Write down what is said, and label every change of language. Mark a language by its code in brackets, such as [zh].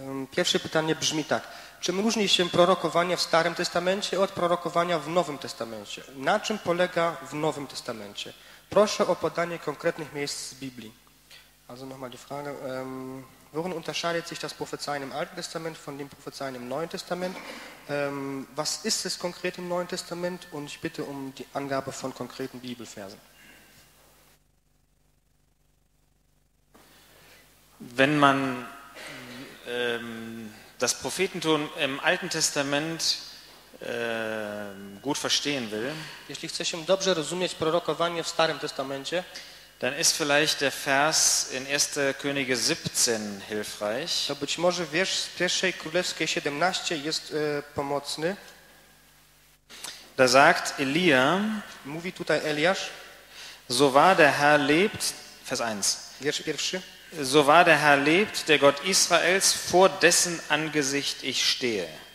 [pl] Pierwsze pytanie brzmi tak. Czym różni się prorokowanie w Starym Testamencie od prorokowania w Nowym Testamencie? Na czym polega w Nowym Testamencie? Proszę o podanie konkretnych miejsc z Biblii. [de] Also nochmal die Frage. Worin unterscheidet sich das Prophezeien im Alten Testament von dem Prophezeien im Neuen Testament? Was ist es konkret im Neuen Testament? Und ich bitte um die Angabe von konkreten Bibelversen. Wenn man das Prophetentum im Alten Testament gut verstehen will, [pl] jeśli chce się dobrze rozumieć prorokowanie w Starym Testamencie, [de] dann ist vielleicht der Vers in 1. Könige 17 hilfreich. [pl] To być może wiersz z 1. Królewskiej 17 jest pomocny. [de] Da sagt Elia, [pl] mówi tutaj Eliasz, [de] so wahr der Herr lebt, Vers 1, [pl] wiersz pierwszy, [de] so wahr der Herr lebt, der Gott Israels, vor dessen Angesicht ich stehe.